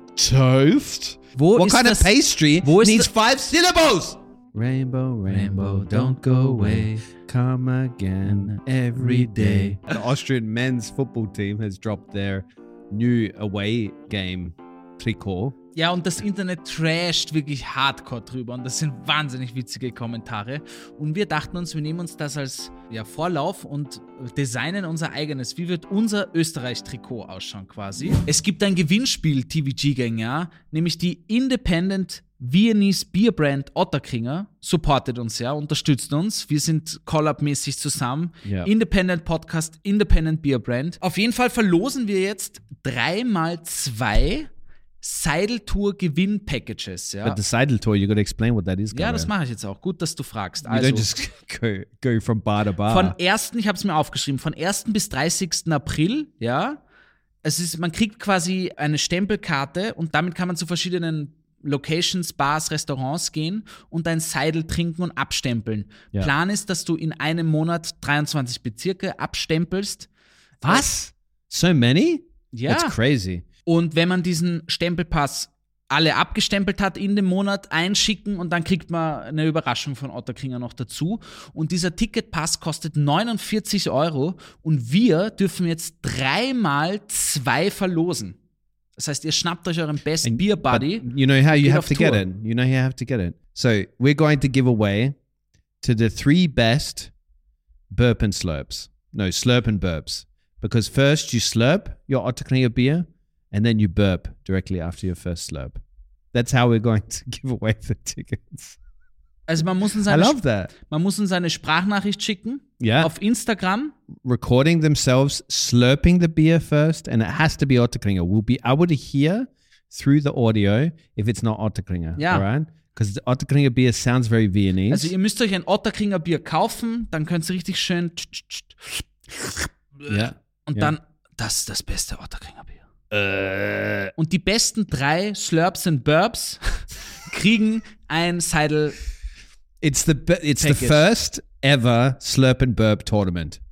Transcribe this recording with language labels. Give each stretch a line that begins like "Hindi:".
English: Toast? What kind of pastry needs five syllables? Rainbow, rainbow, don't go away. Come again every day. The Austrian men's football team has dropped their new away game Trikot.
German: Ja, und das Internet trasht wirklich hardcore drüber. Und das sind wahnsinnig witzige Kommentare. Und wir dachten uns, wir nehmen uns das als ja, Vorlauf und designen unser eigenes. Wie wird unser Österreich-Trikot ausschauen quasi? Es gibt ein Gewinnspiel, TVG-Gang, ja? Nämlich die Independent Viennese Beer Brand Otterkringer supportet uns, ja, unterstützt uns. Wir sind Collab-mäßig zusammen. Yeah.
English: Independent Podcast, Independent Beer Brand.
German: Auf jeden Fall verlosen wir jetzt 3x2 Seideltour-Gewinn-Packages. Ja.
English: But the Seideltour, you gotta explain what that is.
German: Ja, das mache ich jetzt auch. Gut, dass du fragst.
English: Also, you don't just go from bar to bar.
German: Von 1., ich habe es mir aufgeschrieben, von 1. bis 30. April, ja. Es ist, man kriegt quasi eine Stempelkarte und damit kann man zu verschiedenen Locations, Bars, Restaurants gehen und dein Seidel trinken und abstempeln.
English: Yeah.
German: Plan ist, dass du in einem Monat 23 Bezirke abstempelst. Was?
English: So many?
German: Ja.
English: That's crazy.
German: Und wenn man diesen Stempelpass alle abgestempelt hat in dem Monat, einschicken und dann kriegt man eine Überraschung von Otterkringer noch dazu. Und dieser Ticketpass kostet 49 Euro und wir dürfen jetzt 3x2 verlosen. Das heißt, ihr schnappt euch euren
English: best and, beer buddy. You know how you have to get it. You know how you have to get it. So we're going to give away to the three best burp and slurps. No, slurp and burps. Because first you slurp your Otterkringer beer. And then you burp directly after your first slurp. That's how we're going to give away the tickets.
German: Also man muss uns eine,
English: I love that.
German: Man muss uns eine Sprachnachricht schicken.
English: Yeah.
German: Auf Instagram.
English: Recording themselves, slurping the beer first. And it has to be Otterkringer. We'll be able to hear through the audio if it's not Otterkringer. Yeah. All right? Because the Otterkringer beer sounds very Viennese.
German: Also ihr müsst euch ein Otterkringer Bier kaufen. Dann könnt ihr richtig schön.
English: Yeah.
German: Und dann, das ist das beste Otterkringer Bier. Und die besten drei Slurps und Burps kriegen ein Seidel.
English: It's the first ever Slurp and Burp Tournament.